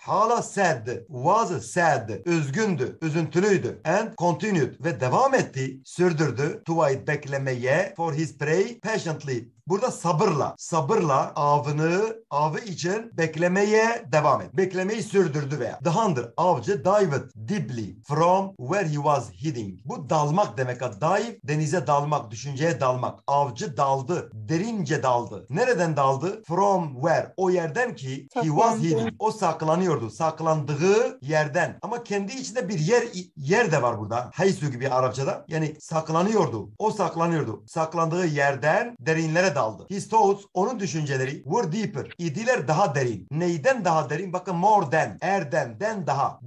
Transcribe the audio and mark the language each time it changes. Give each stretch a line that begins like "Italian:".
Turkish: Hala
English: sad, was sad.
Turkish: Üzgündü, üzüntülüydü.
English: And continued.
Turkish: Ve devam etti, sürdürdü.
English: To wait,
Turkish: beklemeye.
English: For his prey, patiently.
Turkish: Burada sabırla, sabırla avını, avı için beklemeye devam et. Beklemeyi sürdürdü veya.
English: The hunter,
Turkish: avcı,
English: dived deeply from where he was hiding.
Turkish: Bu dalmak demek. Dive, denize dalmak, düşünceye dalmak. Avcı daldı, derince daldı. Nereden daldı?
English: From where,
Turkish: o yerden ki
English: he was hiding.
Turkish: O saklanıyordu, saklandığı yerden. Ama kendi içinde bir yer de var burada. Haysu gibi Arapçada. Yani saklanıyordu, o saklanıyordu. Saklandığı yerden derinlere daldı.
English: His thoughts,
Turkish: onun düşünceleri
English: were deeper.
Turkish: İdiler daha derin. Neyden daha derin? Bakın
English: more than,
Turkish: erden, than daha.